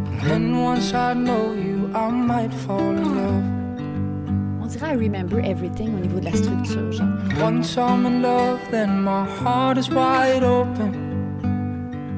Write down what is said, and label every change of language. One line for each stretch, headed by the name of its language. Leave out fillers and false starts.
English: And once I know you, I might fall in love.
French: On dirait « I remember everything » au niveau de la structure, genre.
English: Once I'm in love, then my heart is wide open.